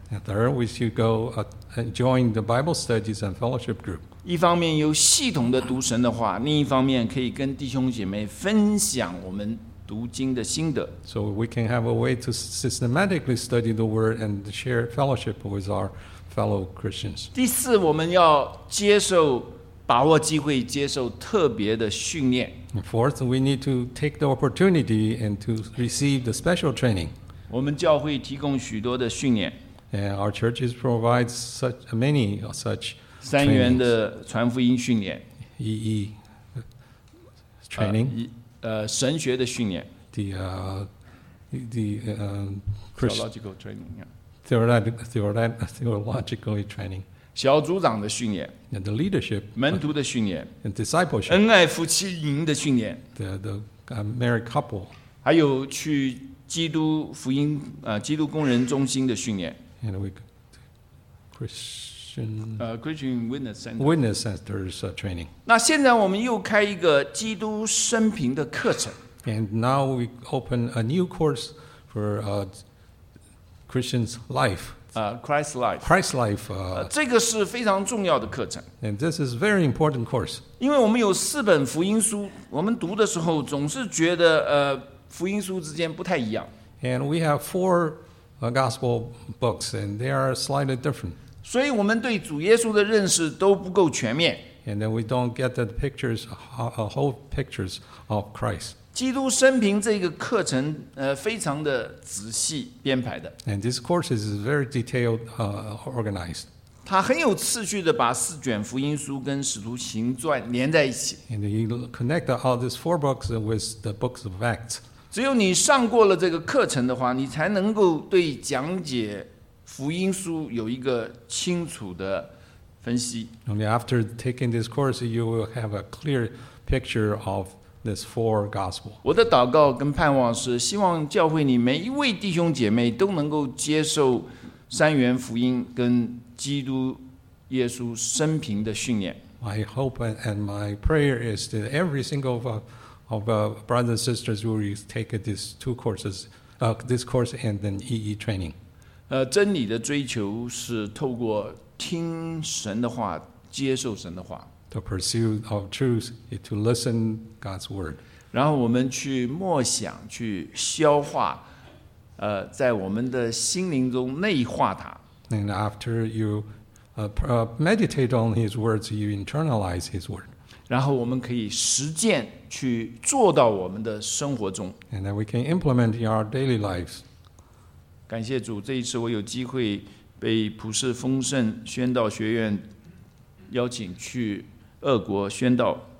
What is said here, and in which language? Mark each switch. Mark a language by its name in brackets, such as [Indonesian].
[English] And third, we should go and join the Bible studies and fellowship group. [Chinese] 一方面有系统的读神的话，另一方面可以跟弟兄姐妹分享我们读经的心得。 [English] So we can have a way to systematically study the word and share fellowship with our fellow Christians. [Chinese] 第四，我们要接受把握机会，接受特别的训练。 [English] And fourth, we need to take the opportunity and to receive the special training. [Chinese] 我们教会提供许多的训练。 [English] And our churches provide such many of such trainings. [Chinese] 三元的传福音训练。 [English] EE training. [Chinese] 神学的训练。 [English] Theological training. Theological training. [Chinese] 小组长的训练。 [English] And the leadership. [Chinese] 门徒的训练。 [English] And discipleship. [Chinese] 恩爱夫妻营的训练。 [English] The married couple. [Chinese] 还有去基督福音基督工人中心的训练。 [English] And we Christian Christian witness center. Witness centers training. [Chinese] 那现在我们又开一个基督生平的课程。 [English] And now we open a new course for Christian's life. Christ's life. [Chinese] 这个是非常重要的课程。 [English] And this is very important course. [Chinese] 因为我们有四本福音书，我们读的时候总是觉得福音书之间不太一样。 [English] And we have four. Gospel books, and they are slightly different. [Chinese] 所以我们对主耶稣的认识都不够全面。 [English] And then we don't get the pictures, whole pictures of Christ. [Chinese] 基督生平这个课程，非常的仔细编排的。 [English] And this course is very detailed, organized. [Chinese] 他很有次序的把四卷福音书跟使徒行传连在一起。 [English] And he connected all these four books with the books of Acts. [Chinese] 只有你上过了这个课程的话，你才能够对讲解福音书有一个清楚的。 [English] Only after taking this course, you will have a clear picture of this four gospel. [Chinese] 我的祷告跟盼望是希望教会里每一位弟兄姐妹都能够接受三元福音跟基督耶稣生平的训练。 [English] My hope and my prayer is that every single of brothers and sisters will take this course and then EE training. [Chinese] 真理的追求是透过听神的话，接受神的话。 [English] The pursuit of truth is to listen God's word. [Chinese] 然后我们去默想，去消化，在我们的心灵中内化它。 [English] And after you meditate on His words, you internalize His word. [Chinese] 然后我们可以实践，去做到我们的生活中。 [English] And then we can implement in our daily lives. [Chinese] 感谢主，这一次我有机会。被普世丰盛宣道学院邀请去俄国宣道。